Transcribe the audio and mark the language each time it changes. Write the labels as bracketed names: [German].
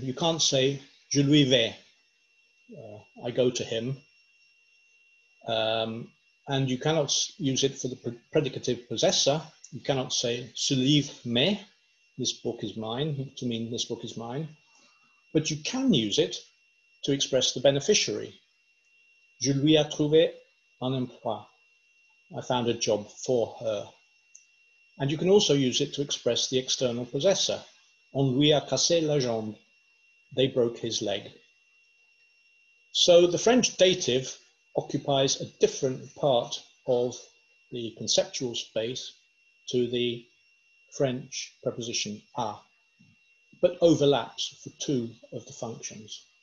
[English] You can't say, [French] je lui vais, [English] I go to him. And you cannot use it for the predicative possessor. You cannot say, [French] ce livre m'est, [English] this book is mine, to mean this book is mine. But you can use it to express the beneficiary. [French] Je lui ai trouvé un emploi. [English] I found a job for her. And you can also use it to express the external possessor. [French] On lui a cassé la jambe. [English] They broke his leg. So the French dative occupies a different part of the conceptual space to the French preposition à, but overlaps for two of the functions.